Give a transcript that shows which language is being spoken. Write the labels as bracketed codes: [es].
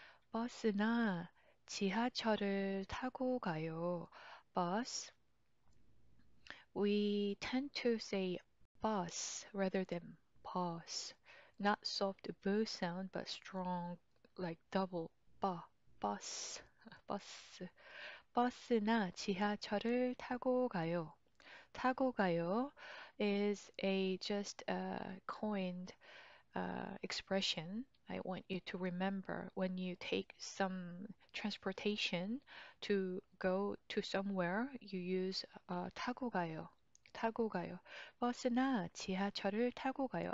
[ko] 버스나 지하철을 타고 가요. [en] Bus. We tend to say bus rather than bus. Not soft b sound, but strong like double ba. Bus. Bus. [ko] 버스나 지하철을 타고 가요. 타고 가요 [en] is a just a coined expression. I want you to remember when you take some transportation to go to somewhere, you use [ko] 타고 가요. 타고 가요. 버스나 지하철을 타고 가요.